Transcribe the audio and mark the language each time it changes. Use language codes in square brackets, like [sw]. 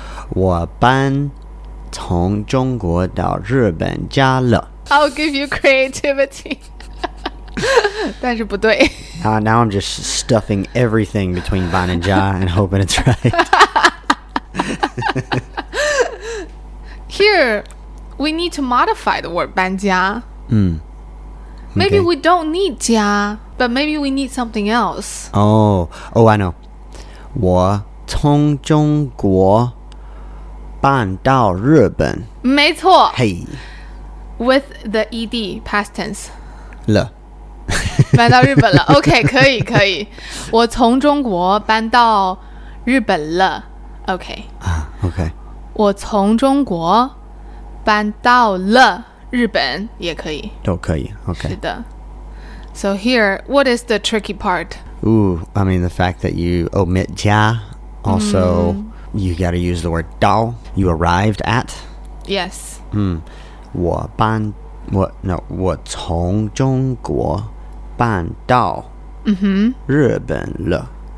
[zh] 我搬从中国到日本家了。 [en] I'll give you creativity. [zh] 但是不对。 [en] Now I'm just stuffing everything between 班 and 家 and hoping it's right. Here, we need to modify the word 搬家. Maybe we don't need 家, but maybe we need something else. Oh, I know. [zh] 我从中国搬到日本。没错。 [en] Hey. With the ed past tense, [zh] 了，搬到日本了。OK, 可以可以。我从中国搬到日本了。OK, [en] OK. [zh] 我从中国搬到了日本也可以，都可以。OK, 是的。 [en] So here, what is the tricky part? Ooh, I mean the fact that you omit 家, also you got to use the word 到. You arrived at. Yes. [zh] 我搬我 [en] no [zh] 我从中国搬到日本了。